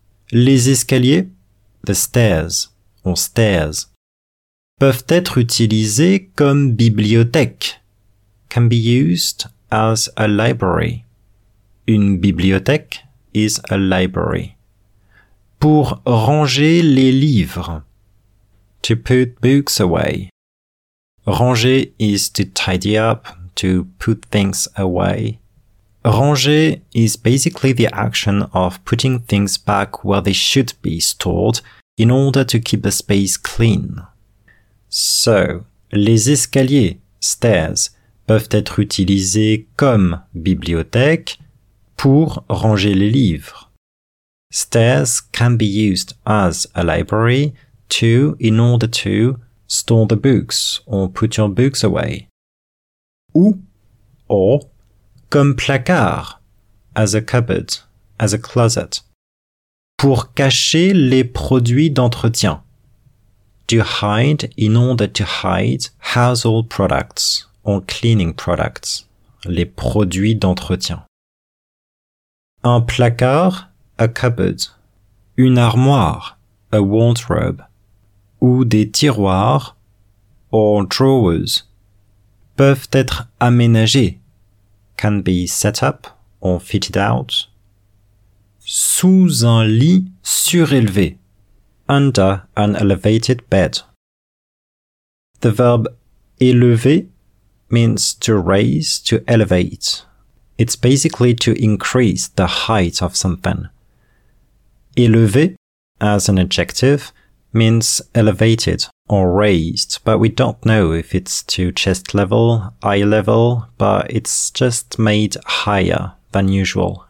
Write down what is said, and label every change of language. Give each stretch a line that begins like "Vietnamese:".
French: Les escaliers,
English: the stairs or stairs,
French: peuvent être utilisés comme bibliothèque,
English: can be used as a library. Une bibliothèque is a library.
French: Pour ranger les livres,
English: to put books away. Ranger is to tidy up, to put things away. Ranger is basically the action of putting things back where they should be stored in order to keep the space clean.
French: So, les escaliers, stairs, peuvent être utilisés comme bibliothèque pour ranger les livres.
English: Stairs can be used as a library to, in order to, store the books or put your books away. Ou, or,
French: comme placard,
English: as a cupboard, as a closet.
French: Pour cacher les produits d'entretien.
English: To hide, in order to hide, household products or cleaning products.
French: Les produits d'entretien. Un placard,
English: a cupboard,
French: une armoire,
English: a wardrobe,
French: ou des tiroirs,
English: or drawers,
French: peuvent être aménagés,
English: can be set up or fitted out,
French: sous un lit surélevé,
English: under an elevated bed. The verb élever means to raise, to elevate. It's basically to increase the height of something. Élevé, as an adjective, means elevated or raised, but we don't know if it's to chest level, eye level, but it's just made higher than usual.